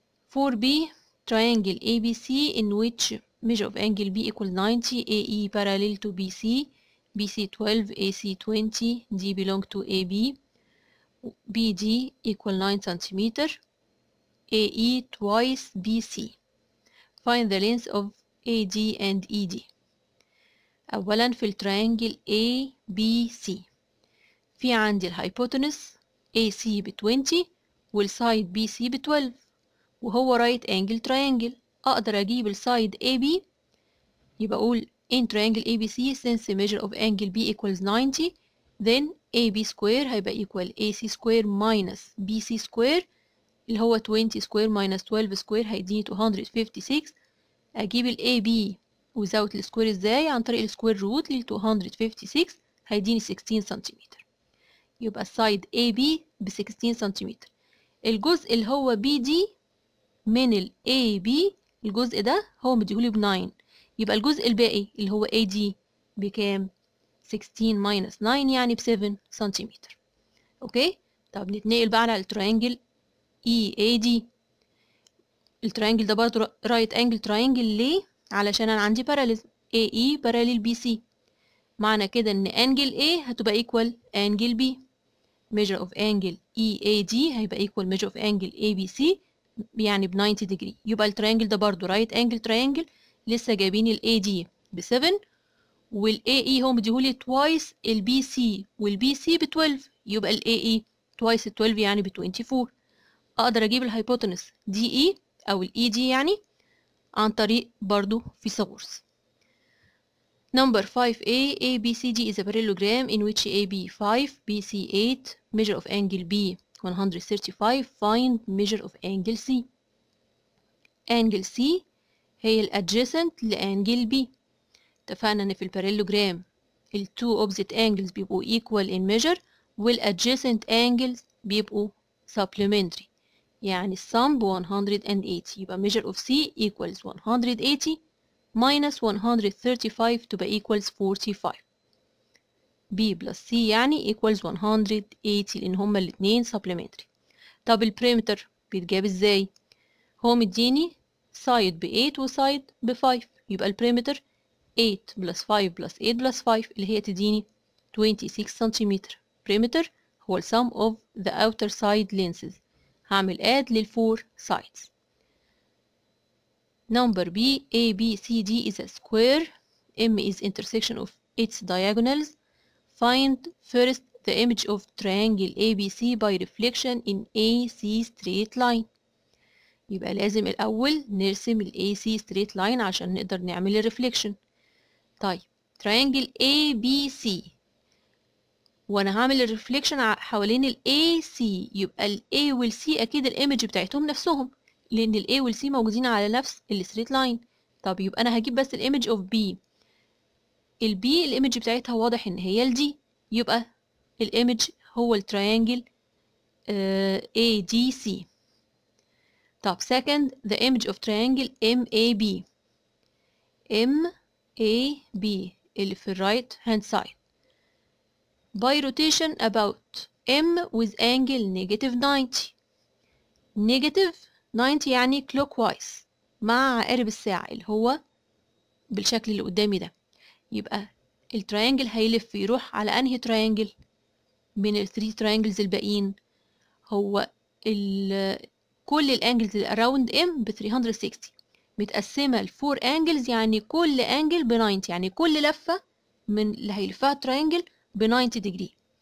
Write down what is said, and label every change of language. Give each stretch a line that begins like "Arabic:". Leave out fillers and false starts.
English: 4B triangle ABC in which measure of angle B equal 90, AE parallel to BC, BC 12, AC 20, D belong to AB, BD equal 9 centimeter, AE twice BC. Find the length of AD and ED.
Arabic: أولا في الترينجل ABC في عندي الهايبوتنس AC بـ 20 والسايد BC بـ 12 وهو رايت أنجل ترينجل. أقدر أجيب السايد AB يبقى أقول
English: in triangle ABC since measure of angle B equals 90 then AB square هيبقى equal AC square minus BC square اللي هو 20 square minus 12 square هيديني 256.
Arabic: أجيب الAB وزود السكوير ازاي؟ عن طريق السكوير روت لـ 256 هيديني 16 سنتيمتر. يبقى السايد AB بـ 16 سنتيمتر. الجزء اللي هو BD من الـ AB الجزء ده هو مديهولي بـ 9. يبقى الجزء الباقي اللي هو AD بكام؟ 16 minus 9 يعني بـ 7 سنتيمتر. اوكي؟ طب نتنقل بقى على الترينجل EAD. الترينجل ده برضو رايت أنجل ترينجل ليه؟ علشان انا عندي باراليزم
English: AE parallel BC
Arabic: معنى كده ان
English: angle A هتبقى equal angle B. measure of angle EAD هيبقى equal measure of angle ABC يعني ب 90 degree.
Arabic: يبقى الترينجل ده برضو
English: right angle triangle
Arabic: لسه جايبين ال AD ب 7 وال AE هم مديهولي twice ال BC وال BC ب 12 يبقى ال AE twice 12 يعني ب 24. اقدر اجيب الهايبوتنس DE او ال ED يعني عن طريق برضو في ثغورس.
English: Number 5A ABCD is a parallelogram in which AB 5 BC 8 measure of angle B 135 find measure of angle C.
Arabic: Angle C هي الادجسنت لانجل B. اتفقنا ان في البارالوجرام ال
English: two opposite angles
Arabic: بيبقوا
English: equal in measure
Arabic: والادجسنت angles بيبقوا supplementary يعني
English: sum 180. يبقى measure of C equals 180 minus 135 تبقى equals 45. B plus C يعني equals 180 لأن هما الاثنين supplementary.
Arabic: طب البريمتر بيتجاب ازاي؟ هو مديني side ب 8 وside ب 5 يبقى البريمتر
English: 8 plus 5 plus 8 plus 5
Arabic: اللي هي تديني 26 سنتيمتر.
English: Perimeter هو sum of the outer side lenses.
Arabic: هعمل
English: add لل 4 sides. Number B A B C D is a square. M is intersection of its diagonals. Find first the image of triangle ABC by reflection in AC straight line.
Arabic: يبقى لازم الأول نرسم ال
English: AC straight line
Arabic: عشان نقدر نعمل ال reflection. طيب triangle ABC وانا هعمل الريفليكشن حوالين ال AC يبقى ال A وال C اكيد الايمج بتاعتهم نفسهم لان ال A وال C موجودين على نفس الستريت لاين. طب يبقى انا هجيب بس الايمج اوف B. ال B الايمج بتاعتها واضح ان هي ال D يبقى الايمج هو التريانجل ADC.
English: طب second the image of triangle MAB MAB
Arabic: اللي في الرايت هاند سايد
English: by rotation about M with angle negative 90.
Arabic: negative 90 يعني clockwise مع عقارب الساعة اللي هو بالشكل اللي قدامي ده. يبقى الترينجل هيلف يروح على انهي ترينجل من الثري ترينجلز الباقيين؟ هو كل الانجلز around M ب 360 متقسمة لفور انجلز يعني كل انجل ب 90 يعني كل لفة من اللي هيلفها ترينجل ب 90 ديجري.